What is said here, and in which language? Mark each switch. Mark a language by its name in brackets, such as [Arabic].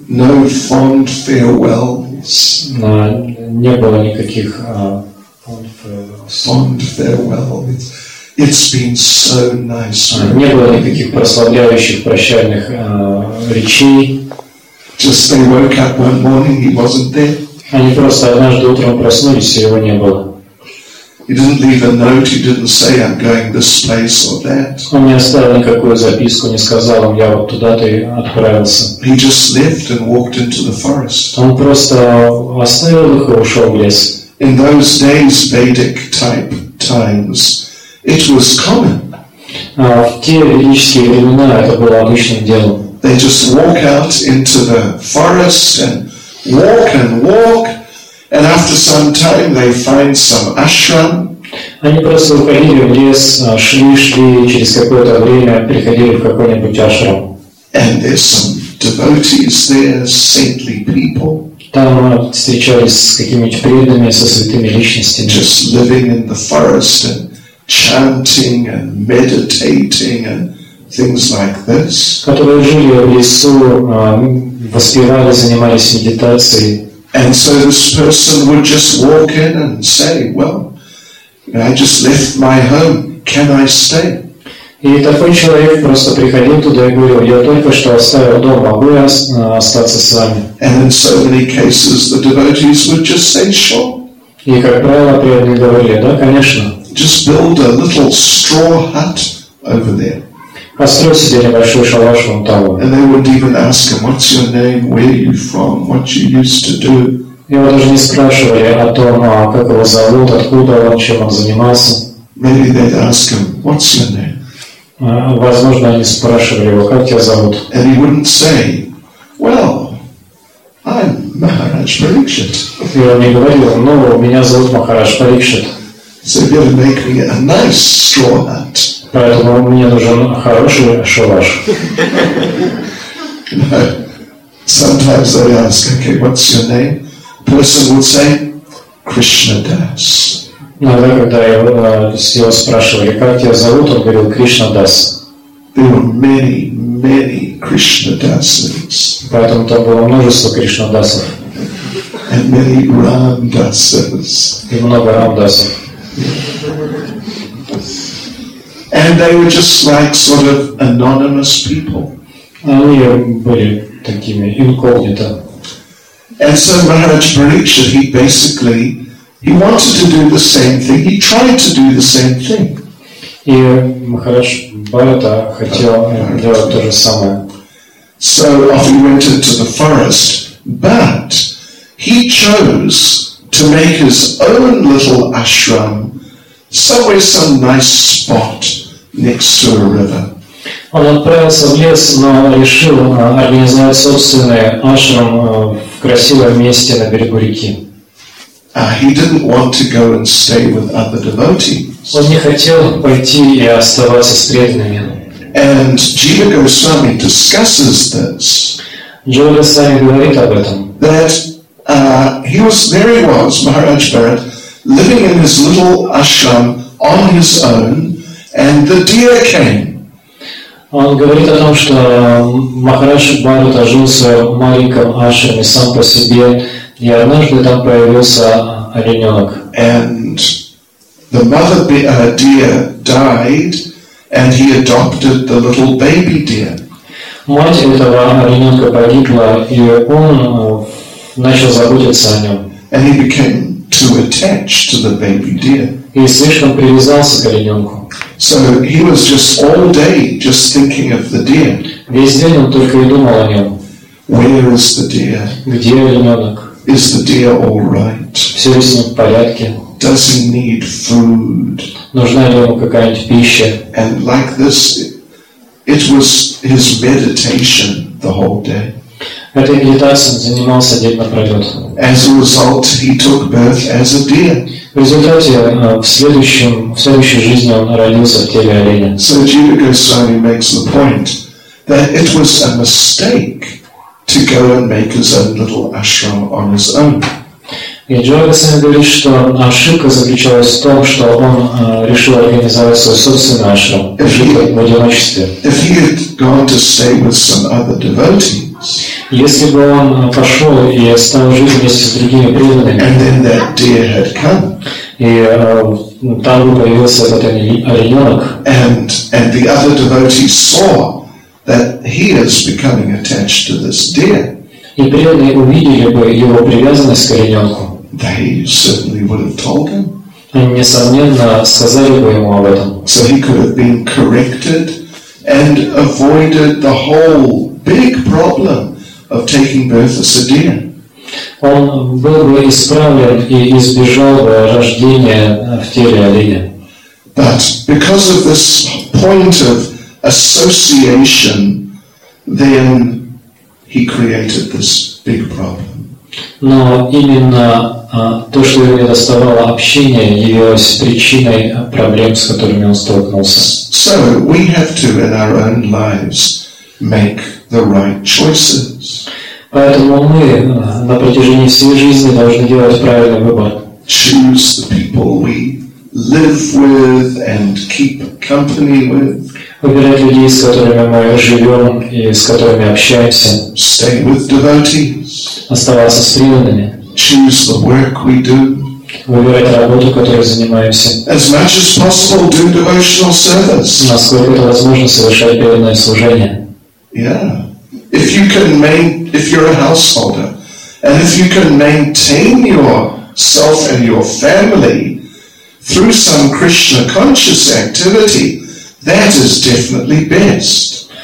[English] No fond farewells. [Russian] Не было никаких [English] fond farewells. It's been so nice. [Russian] Не было никаких прославляющих прощальных речей. [English] Just they woke up one morning, he wasn't there. [Russian] Они просто однажды утром проснулись, и его не было. [English] He didn't leave a note. He didn't say, "I'm going this place or that." [Russian] Он не оставил никакую записку, не сказал, я вот туда-то и отправился. [English] He just left and walked into the forest. [Russian] Он просто оставил их и ушел в лес. [English] In those days, Vedic type times, it was common. [Russian] В те ведические времена это было обычным делом. [English] They just walk out into the forest and walk and walk. And after some time, they find some ashram. [Russian] Они просто уходили в лес, шли, и через какое-то время приходили в какой-нибудь ашрам. [English] And there's some devotees there, saintly people. [Russian] Там встречались с какими-то преданными, со святыми личностями. [English] Just living in the forest and chanting and meditating and things like this. [Russian] Которые жили в лесу, воспевали, занимались медитацией. [English] And so this person would just walk in and say, "Well, I just left my home. Can I stay?" [Russian] И такой человек просто приходил туда и говорил: "Я только что оставил дом, могу я остаться с вами?" [English] And in so many cases, the devotees would just say, "Sure." [Russian] И как правило, преданные говорили: "Да, конечно." [English] Just build a little straw hut over there. [Russian] Построй себе небольшой шалаш вон там. [English] And they would even ask him, "What's your name? Where are you from? What you used to do?" [Russian] Его даже не спрашивали о том, как его зовут, откуда он, чем он занимался. [English] Maybe they'd ask him, "What's your name?" [Russian] Возможно, они спрашивали его, как тебя зовут. [English] And he wouldn't say, "Well, I'm Maharaj Parikshit." [Russian] И он не говорил: "Ну, меня зовут Махарадж Парикшит." [English] So you better make me a nice straw hat. [Russian] Поэтому мне нужен хороший шалаш. [English] Sometimes they ask, "Okay, what's your name?" Person would say, "Krishna Das." [Russian] Иногда, когда его спрашивали, как тебя зовут, он говорил: "Кришна Дас." [English] There were many, many Krishna Dasas. [Russian] Поэтому там было множество Кришна Дасов. [English] And many Ram Dasas. [Russian] И много Ram Dasов. [English] And they were just like sort of anonymous people. [Russian] Они были такими инкогнито. [English] And so Maharaj Parikshit, he wanted to do the same thing. He tried to do the same thing. [Russian] И Махарадж Бхарата хотел делать то же самое. [English] So off he went into the forest, but he chose to make his own little ashram somewhere, some nice spot next to a river. [Russian] Он отправился в лес, но решил организовать собственный ашрам в красивом месте на берегу реки. [English] He didn't want to go and stay with other devotees. [Russian] Он не хотел пойти и оставаться с преданными. [English] And Jiva Goswami discusses this. [Russian] Jiva Goswami говорит об этом. [English] That there he was, Maharaj Bharat, living in his little ashram on his own, and the deer came. [Russian] Он говорит о том, что Махарадж Бхарата жил в своем маленьком ашраме сам по себе, и однажды там появился олененок. [English] And the mother deer died, and he adopted the little baby deer. [Russian] Мать этого олененка погибла, и он начал заботиться о нем. [English] And he became too attached to the baby deer. [Russian] И слишком привязался к олененку. [English] So he was just all day just thinking of the deer. [Russian] Весь день он только и думал о нем. [English] Where is the deer? [Russian] Где олененок? [English] Is the deer all right? [Russian] Все ли с ним в порядке? [English] Does he need food? [Russian] Нужна ли ему какая-нибудь пища? [English] And like this, it was his meditation the whole day. [Russian] Этой медитацией он занимался день напролет. [English] As a result, he took birth as a deer. [Russian] В результате, в следующей жизни он родился в теле оленя. [English] So Jiva Goswami makes the point that it was a mistake to go and make his own little ashram on his own. [Russian] И Jiva Goswami говорит, что ошибка заключалась в том, что он решил организовать свой собственный ашрам в одиночестве. [English] If he had gone to stay with some other devotees, [Russian] если бы он пошел и стал жить вместе с другими преданными, [English] and then that deer had come, [Russian] и там бы появился этот олененок, [English] and the other devotees saw that he is becoming attached to this deer, [Russian] и преданные увидели бы его привязанность к олененку, [English] they certainly would have told him. [Russian] Они, несомненно, сказали бы ему об этом. [English] So he could have been corrected and avoided the whole big problem of taking birth as a deer. [Russian] Он был бы исправлен и избежал бы рождения в теле оленя. [English] But because of this point of association, then he created this big problem. [Russian] Но именно то, что его не доставало общение, явилось причиной проблем, с которыми он столкнулся. [English] So we have to in our own lives make the right choices. [Russian] Поэтому мы на протяжении всей жизни должны делать правильный выбор. [English] Choose the people we live with and keep company with. [Russian] Выбирать людей, с которыми мы живем и с которыми общаемся. [English] Stay with devotees. [Russian] Оставаться с преданными. [English] Choose the work we do. [Russian] Выбирать работу, которой занимаемся. [English] As much as possible, do devotional service. [Russian] Насколько это возможно, совершать преданное служение. [English] Yeah. If you're a householder, and if you can maintain yourself and your family through some Krishna conscious activity, that is definitely best.